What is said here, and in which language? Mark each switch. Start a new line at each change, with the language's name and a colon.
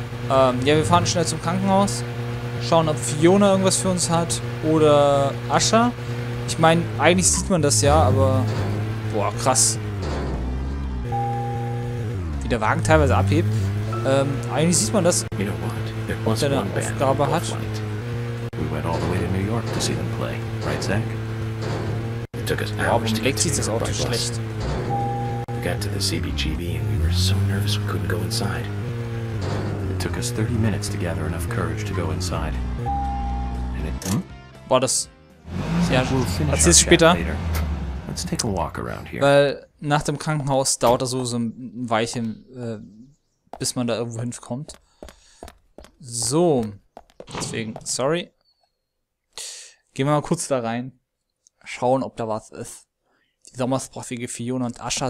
German: Ja, wir fahren schnell zum Krankenhaus. Schauen, ob Fiona irgendwas für uns hat. Oder Asha. Ich meine, eigentlich sieht man das ja, aber... boah, krass. Wie der Wagen teilweise abhebt. Eigentlich sieht man das, was er eine Aufgabe hat.
English: We went all the way to New York to see them play, right, Zack? It took us hours to get to New York by bus. We got to the CBGB and we were so nervous we couldn't go inside. It took us 30 minutes to gather enough courage to go inside. And it,
German: war das? Ja, das ist später.
English: Let's take a walk around here.
German: Weil nach dem Krankenhaus dauert das so ein Weilchen, bis man da irgendwo hinkommt. So. Deswegen, sorry. Gehen wir mal kurz da rein. Schauen, ob da was ist. die sommersprachige Fiona und Asha.